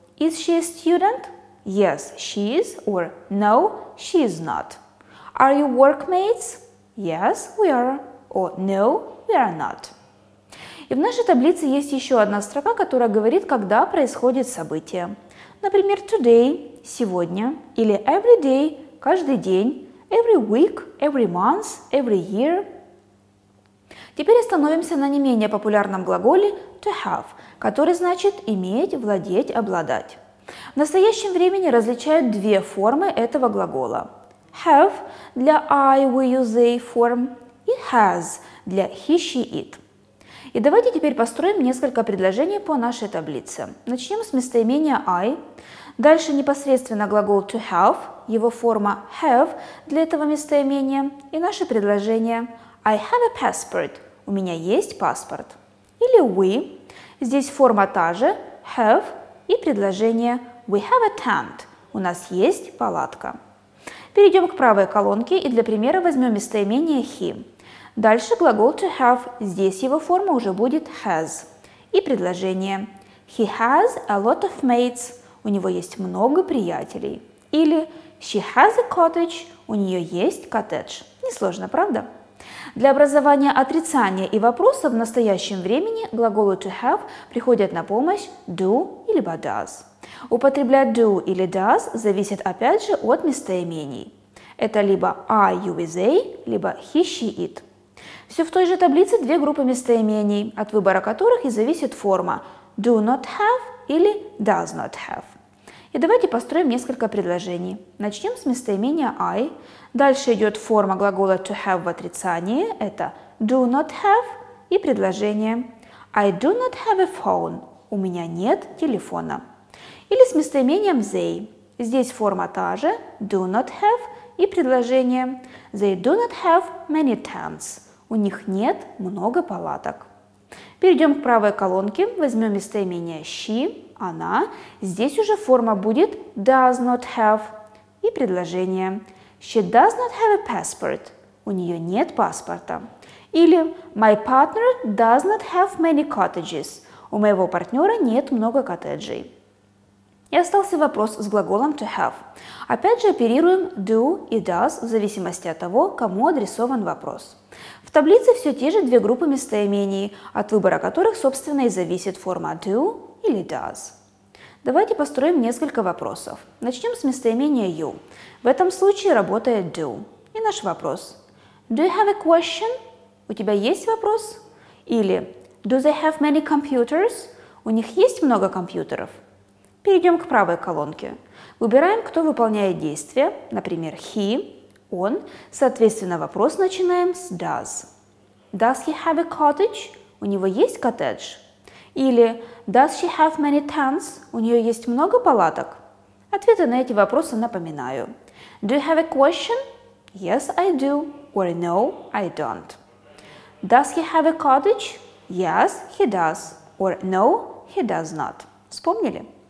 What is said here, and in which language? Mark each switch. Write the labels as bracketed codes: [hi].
[en] Is she a student? Yes, she is. Or no, she is not. Are you workmates? Yes, we are. Or no, we are not. [ru] И в нашей таблице есть еще одна строка, которая говорит, когда происходит событие. [en] Например, today – сегодня, или every day – [ru] каждый день, [en] every week, every month, every year. [ru] Теперь остановимся на не менее популярном глаголе to have, который значит иметь, владеть, обладать. В настоящем времени различают две формы этого глагола. [en] Have – для I, we, you, they form, и has – для he, she, it. [ru] И давайте теперь построим несколько предложений по нашей таблице. Начнем с местоимения I. Дальше непосредственно глагол to have, его форма have для этого местоимения. И наше предложение [en] I have a passport. [ru] У меня есть паспорт. Или we. Здесь форма та же, have. И предложение [en] we have a tent. [ru] У нас есть палатка. Перейдем к правой колонке и для примера возьмем местоимение he. Дальше глагол to have, здесь его форма уже будет has. И предложение. [en] He has a lot of mates. [ru] У него есть много приятелей. [en] Или she has a cottage. [ru] У нее есть коттедж. Несложно, правда? Для образования отрицания и вопроса в настоящем времени глаголу to have приходят на помощь do или does. Употреблять do или does зависит опять же от местоимений. Это либо I, you, with they, либо he, she, it. Все в той же таблице две группы местоимений, от выбора которых и зависит форма do not have или does not have. И давайте построим несколько предложений. Начнем с местоимения I. Дальше идет форма глагола to have в отрицании. Это do not have и предложение. [en] I do not have a phone. [ru] У меня нет телефона. Или с местоимением they. Здесь форма та же. [en] Do not have [ru] и предложение. [en] They do not have many tents. [ru] У них нет много палаток. Перейдем к правой колонке. Возьмем местоимение she, она. Здесь уже форма будет does not have и предложение. [en] She does not have a passport. [ru] У нее нет паспорта. [en] Или my partner does not have many cottages. [ru] У моего партнера нет много коттеджей. И остался вопрос с глаголом to have. Опять же оперируем do и does в зависимости от того, кому адресован вопрос. В таблице все те же две группы местоимений, от выбора которых, собственно, и зависит форма do или does. Давайте построим несколько вопросов. Начнем с местоимения you. В этом случае работает do. И наш вопрос. [en] Do you have a question? [ru] У тебя есть вопрос? [en] Или do they have many computers? [ru] У них есть много компьютеров? Перейдем к правой колонке. Выбираем, кто выполняет действие. Например, he, он. Соответственно, вопрос начинаем с does. [en] Does he have a cottage? [ru] У него есть коттедж? [en] Или does she have many tents? [ru] У нее есть много палаток? Ответы на эти вопросы напоминаю. [en] Do you have a question? Yes, I do. Or no, I don't. Does he have a cottage? Yes, he does. Or no, he does not. [ru] Вспомнили?